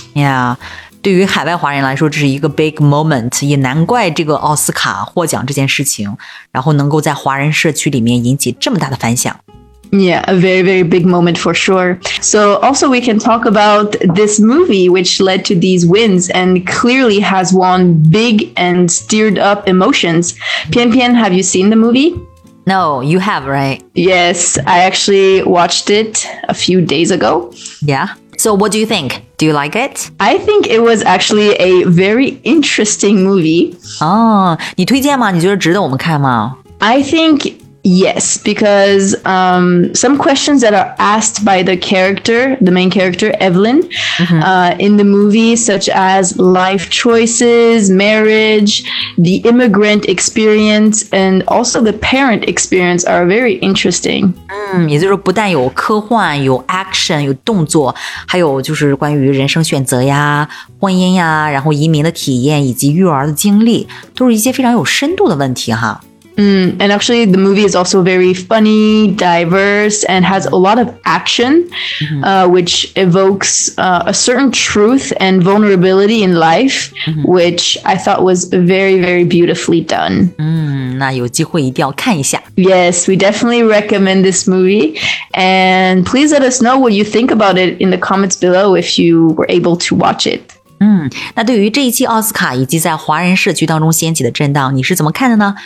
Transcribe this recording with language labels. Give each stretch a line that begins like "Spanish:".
English: Yeah.
Chinese: 对于海外华人来说，这是一个
English: big moment.
Chinese: 也难怪这个奥斯卡获奖这件事情，然后能够在华人社区里面引起这么大的反响。
English: Yeah, a very, very big moment for sure. So also we can talk about this movie, which led to these wins and clearly has won big and stirred up emotions. Pian Pian, have you seen the movie? No, you have, right? Yes, I actually watched it a few days ago. Yeah. So what do you think? Do you like it? I think it was actually a very interesting movie.
Chinese: Oh, 你推荐吗?你觉得值得我们看吗?
English: I think... Yes, because some questions that are asked by the character, the main character, Evelyn, in the movie, such as life choices, marriage, the immigrant experience, and also the parent experience are very interesting.
Chinese: 也就是不但有科幻、有 action、有动作，还有就是关于人生选择呀、婚姻呀、然后移民的体验以及育儿的经历，都是一些非常有深度的问题哈。
English: Mm, and actually, the movie is also very funny, diverse, and has a lot of action, which evokes a certain truth and vulnerability in life, which I thought was very, very beautifully done.
Chinese: 那有机会一定要看一下。
English: Yes, we definitely recommend this movie. And please let us know what you think about it in the comments below if you were able to watch it.
Chinese: 那对于这一期奥斯卡以及在华人社区当中掀起的震荡，你是怎么看的呢？